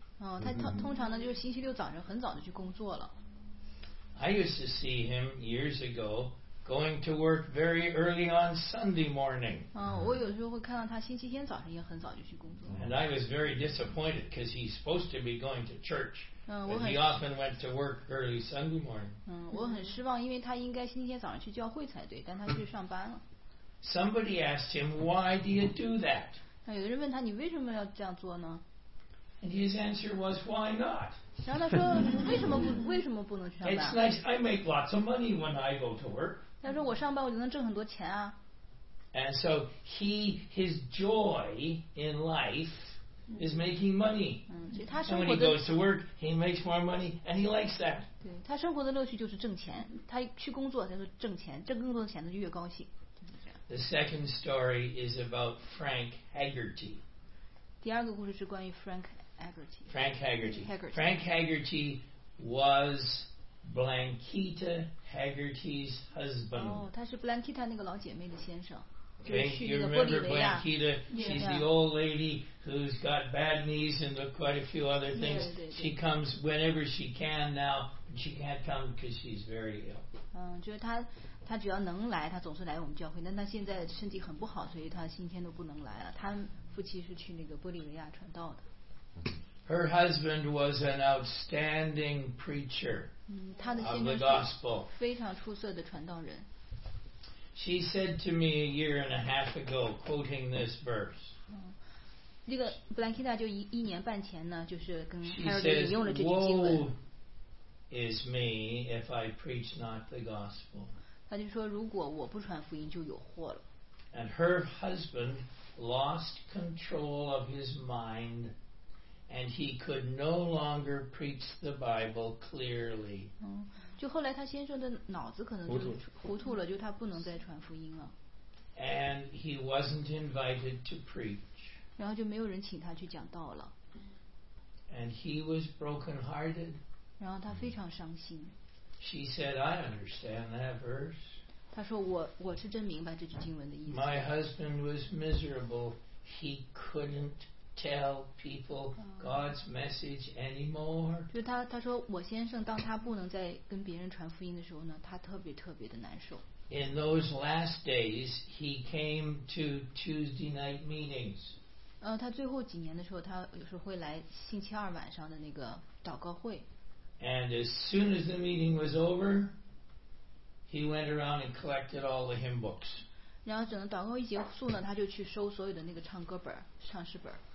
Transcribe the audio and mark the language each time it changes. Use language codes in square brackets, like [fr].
[en] I used to see him years ago going to work very early on Sunday morning. And I was very disappointed because he's supposed to be going to church. And he often went to work early Sunday morning. [zh] 我很失望，因为他应该星期天早上去教会才对，但他去上班了。 [en] Somebody asked him, "Why do you do that?" [zh] 那有的人问他，你为什么要这样做呢？ [en] And his answer was, "Why not?" [zh] 然后他说，为什么不能去上班？ [en] It's nice. I make lots of money when I go to work. [zh] 他说我上班我就能挣很多钱啊。 [en] And so his joy in life. Is making money. And when he goes to work, he makes more money, and he likes that. [zh] 对，他生活的乐趣就是挣钱。他去工作，他说挣钱，挣更多的钱，他就越高兴。 [en] The second story is about Frank Haggerty. [zh] 第二个故事是关于 Frank Haggerty. [en] Frank Haggerty. Haggerty. Frank Haggerty was Blanquita Haggerty's husband. [zh] 他是 Blanquita 那个老姐妹的先生。 [en] Okay, you remember Blanquita? She's the old lady who's got bad knees and quite a few other things. She comes whenever she can now, but she can't come because she's very ill. [zh] 就是她只要能来，她总是来我们教会。但她现在身体很不好，所以她星期天都不能来了。她夫妻是去那个玻利维亚传道的。 [en] Her husband was an outstanding preacher of the gospel. [zh] 非常出色的传道人。 [en] She said to me a year and a half ago, quoting this verse. [zh] 那个 Blankina 就一年半前呢，就是跟 Harold 引用了这句经文。 [en] Is me if I preach not the gospel. [zh] 他就说，如果我不传福音，就有祸了。 [en] And her husband lost control of his mind, and he could no longer preach the Bible clearly. [zh] 就后来他先生的脑子可能就糊涂了，就他不能再传福音了。 [en] And he wasn't invited to preach. [zh] 然后就没有人请他去讲道了。 [en] And he was broken-hearted. [zh] 然后他非常伤心。 [en] She said, "I understand that verse." [zh] 他说我是真明白这句经文的意思。 [en] My husband was miserable. He couldn't tell people God's message anymore. [zh] 就他说我先生当他不能再跟别人传福音的时候呢，他特别特别的难受。 [en] In those last days, he came to Tuesday night meetings. [zh] 他最后几年的时候，他有时候会来星期二晚上的那个祷告会。 [en] And as soon as the meeting was over, he went around and collected all the hymn books. [zh] 然后整个祷告一结束呢，他就去收所有的那个唱歌本、唱诗本。